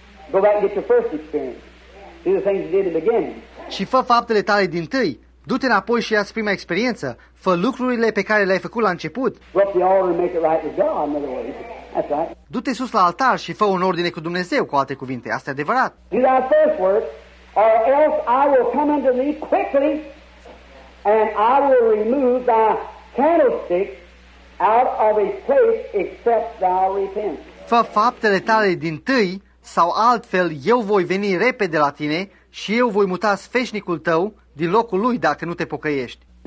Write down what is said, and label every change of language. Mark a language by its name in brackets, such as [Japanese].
[English] Go back and get your first experience. Do the things you did in the beginning. [Romanian] Și fă faptele tale din tâi. Du-te înapoi și ia-ți prima experiență. Fă lucrurile pe care le-ai făcut la început. [English] Rup the altar and make it right with God, in other words. That's right. [Romanian] Du-te sus la altar și fă un ordine cu Dumnezeu, cu alte cuvinte. Asta e adevărat. [English] Do thy first work, or else I will come unto thee quickly, and I will remove thy candlestick out of its place, except thou repent. [Romanian] Fă faptele tale din tâi, sau altfel, eu voi veni repede la tine și eu voi muta sfeșnicul tău din locul lui dacă nu te pocăiești.